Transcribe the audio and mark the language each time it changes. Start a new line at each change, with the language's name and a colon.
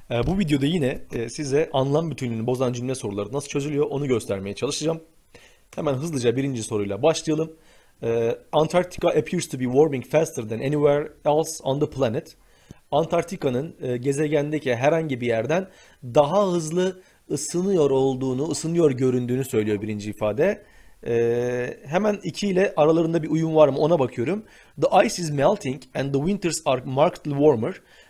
Turkish: Bu videoda yine size anlam bütünlüğünü bozan cümle soruları nasıl çözülüyor onu göstermeye çalışacağım. Hemen hızlıca birinci soruyla başlayalım.
English: Antarktika appears to be warming faster than anywhere else on the planet.
Turkish: Antarktika'nın gezegendeki herhangi bir yerden daha hızlı ısınıyor olduğunu, ısınıyor göründüğünü söylüyor birinci ifade. Hemen iki ile aralarında bir uyum var mı ona bakıyorum.
English: The ice is melting and the winters are markedly warmer.